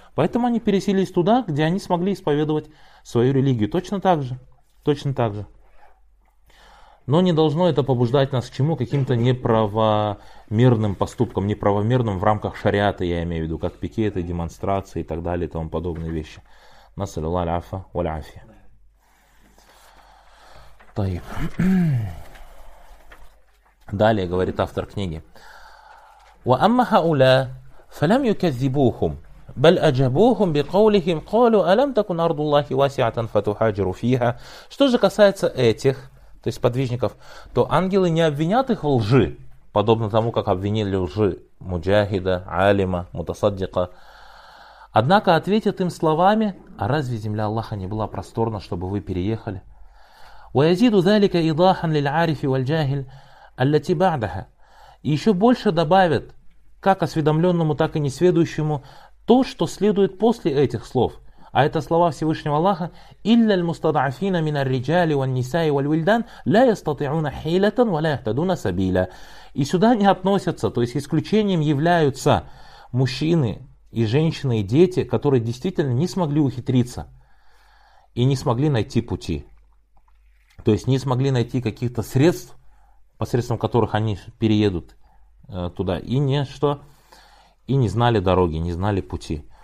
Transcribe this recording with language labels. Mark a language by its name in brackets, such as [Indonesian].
[Russian] Поэтому они переселились туда, где они смогли исповедовать свою религию. Точно так же. Точно так же. Но не должно это побуждать нас к чему? Каким-то неправомерным поступкам, неправомерным в рамках шариата, я имею в виду, как пикеты, демонстрации и так далее, и тому подобные вещи. [Arabic] نسأل الله العفو والعافية. طيب [Russian] далее говорит автор книги: [Arabic] وأما هؤلاء فلم يكذبوهم بل أجابوهم بقولهم قالوا ألم تكن أرض الله واسعة فتهاجروا فيها. [Russian] Что же касается этих, то есть подвижников, то ангелы не обвинят их в лжи, подобно тому, как обвинили лжи муджахида, алима, мутасаддика. Однако ответят им словами: а разве земля Аллаха не была просторна, чтобы вы переехали? [Arabic] وَيَزِيدُ ذَلِكَ إِضَاحًا لِلْعَارِفِ وَالْجَاهِلِ الَّتِي بَعْدَهَا. [Russian] И еще больше добавят, как осведомленному, так и несведущему, то, что следует после этих слов. А это слова Всевышнего Аллаха: [Arabic] إِلَّا الْمُسْتَضَعَفِينَ مِنَ الرِّجَالِ وَالنِّسَاءِ وَالْوِلْدَانِ لَا يَسْتَطِعُونَ حِيلَةً وَلَا يَهْتَدُونَ سَبِيلًا. [Russian] И сюда не относятся, то есть исключением являются мужчины и женщины и дети, которые действительно не смогли ухитриться и не смогли найти пути. То есть не смогли найти каких-то средств, посредством которых они переедут туда, и не что, и не знали дороги, не знали пути.